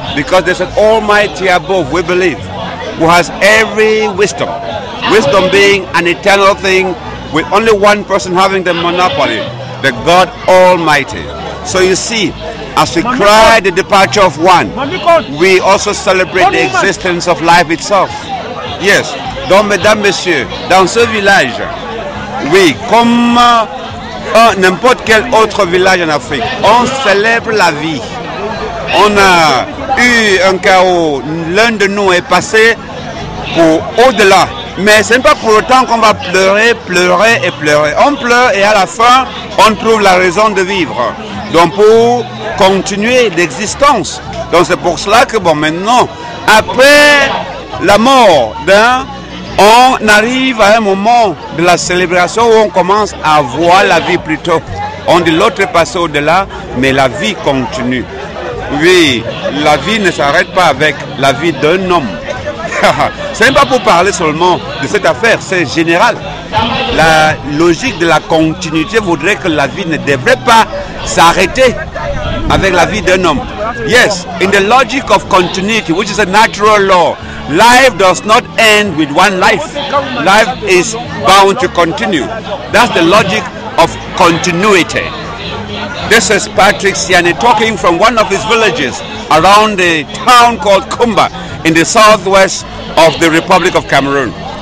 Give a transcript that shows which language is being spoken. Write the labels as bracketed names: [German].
[English] Because there's an almighty above, we believe, who has every wisdom. Wisdom being an eternal thing with only one person having the monopoly, the God Almighty. So you see, as we cry the departure of one, we also celebrate the existence of life itself. [French] Yes, dans mesdames, messieurs, dans ce village, oui, comme n'importe quel autre village en Afrique, on célèbre la vie. On a eu un chaos, l'un de nous est passé pour au-delà. Mais ce n'est pas pour autant qu'on va pleurer, pleurer et pleurer. On pleure et à la fin, on trouve la raison de vivre. Donc pour continuer l'existence. Donc c'est pour cela que bon maintenant, après la mort, ben, on arrive à un moment de la célébration où on commence à voir la vie plutôt. On dit l'autre est passé au-delà, mais la vie continue. Oui, la vie ne s'arrête pas avec la vie d'un homme. Ce n'est pas pour parler seulement de cette affaire, c'est général. La logique de la continuité voudrait que la vie ne devrait pas s'arrêter avec la vie d'un homme. [English] Yes, in the logic of continuity, which is a natural law, life does not end with one life. Life is bound to continue. That's the logic of continuity. This is Patrick Sianne talking from one of his villages around a town called Kumba in the southwest of the Republic of Cameroon.